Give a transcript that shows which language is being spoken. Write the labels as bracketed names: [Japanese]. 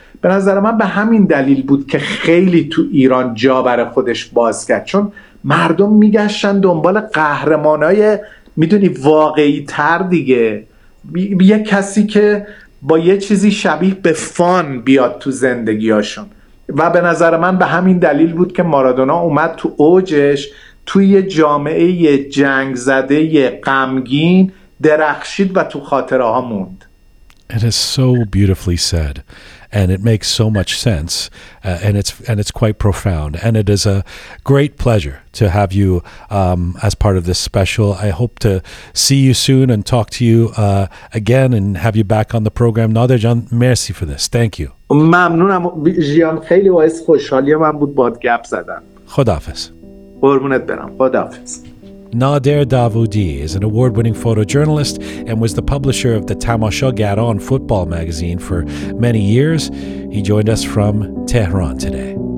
[Persian] به نظر من به همین دلیل بود که خیلی تو ایران جا برای خودش باز کرد، چون مردم میگشتن دنبال قهرمانای میدونی واقعی تر دیگه، یه کسی که با یه چیزی شبیه به فان بیاد تو زندگیاشون، و به نظر من به همین دلیل بود که مارادونا اومد تو اوجش توی یه جامعه جنگ زده غمگین درخشید و تو خاطره ها موند. [English] It is so beautifully said, and it makes so much sense, and it's quite profound, and it is a great pleasure to have you as part of this special. I hope to see you soon and talk to you again and have you back on the program. Nader Jan, merci for this. Thank you. [Persian] ممنونم جیان، خیلی باعث خوشحالی من بود باهات گپ زدن. خداحافظ. قربونت برم. خداحافظ. [English] Nader Davoudi is an award-winning photojournalist and was the publisher of the Tamashagaran football magazine for many years. He joined us from Tehran today.